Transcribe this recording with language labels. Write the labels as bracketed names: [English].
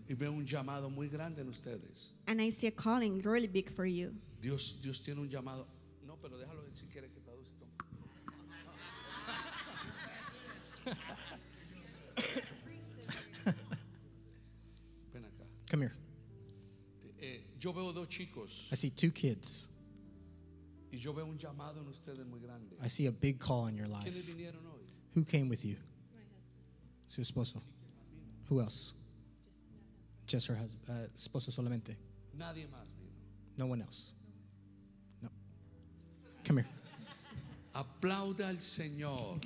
[Spanish] Y veo un llamado muy grande en ustedes. [English] And I see a calling really big for you. [Spanish] Dios tiene un llamado. No, pero déjalo decir si quiere que traduce. Ven acá. [English] Come here. [Spanish] Yo veo dos chicos. [English] I see two kids. [Spanish] Y yo veo un llamado en ustedes muy grande. [English] I see a big call in your life. [Spanish] ¿Quiénes vinieron hoy? [English] Who came with you? My husband. [Spanish] Su esposo. [English] Who else? Just her husband. [Spanish] Esposo solamente. Nadie más vino. [English] No one else. No. Come here. [Spanish] Aplauda al Señor.